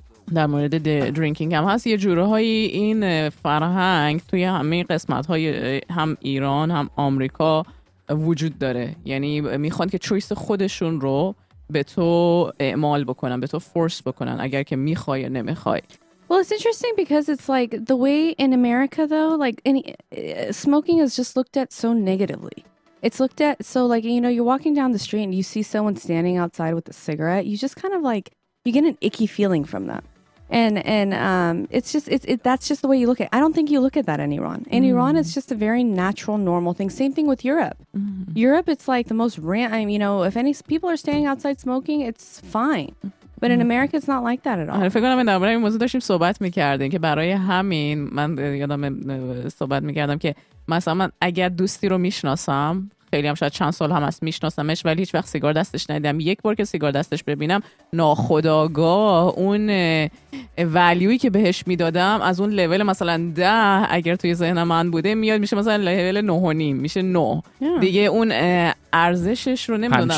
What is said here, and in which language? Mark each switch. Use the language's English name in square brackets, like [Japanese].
[Persian] در مورد درینکینگ هم هست یه جورهایی این فرهنگ توی همه قسمت های هم ایران هم آمریکا وجود داره یعنی میخوان که چویس خودشون رو به تو اعمال بکنن به تو فورس بکنن اگر که میخوای نمیخوای. [English] Well, it's interesting because it's like the way in America though, like any smoking is just looked at so negatively. It's looked at so like you know, you're walking down the street and you see someone standing outside with a cigarette, you just kind of like you get an icky feeling from them. And it's just that's just the way you look at it. I don't think you look at that in Iran. In Iran it's just a very natural normal thing. Same thing with Europe. Europe it's like the most you know, if any people are standing outside smoking, it's fine. But in America it's not like that at all. [Persian] فکر کنم در این موضوع داشتیم صحبت می‌کردیم که برای همین من یادم صحبت می‌کردم که مثلا من اگر دوستی رو می‌شناسم خیلی هم شاید چند سال هم هست میشناسمش ولی هیچ وقت سیگار دستش ندیدم یک بار که سیگار دستش ببینم ناخودآگاه اون ولیوی که بهش میدادم از اون لول مثلا 10 اگر توی ذهن من بوده میاد میشه مثلا لول 9.5 میشه 9 دیگه اون ارزشش رو نمیدونم